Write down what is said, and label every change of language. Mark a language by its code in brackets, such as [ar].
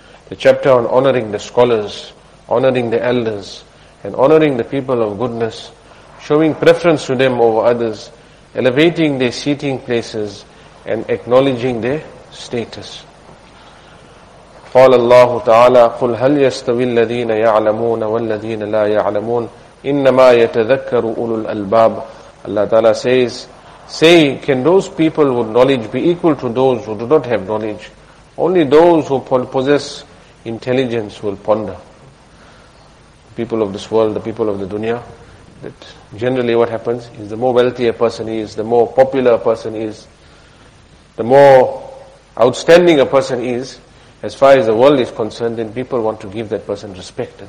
[en] The chapter on honoring the scholars, honoring the elders, and honoring the people of goodness, showing preference to them over others, elevating their seating places, and acknowledging their status. [ar] قال الله تعالى قل هل يستوي الذين يعلمون والذين لا يعلمون إنما يتذكر أولو الألباب. [en] Allah Ta'ala says, say, can those people with knowledge be equal to those who do not have knowledge? Only those who possess intelligence will ponder. The people of this world, the people of the dunya, that generally what happens is the more wealthy a person is, the more popular a person is, the more outstanding a person is, as far as the world is concerned, then people want to give that person respect.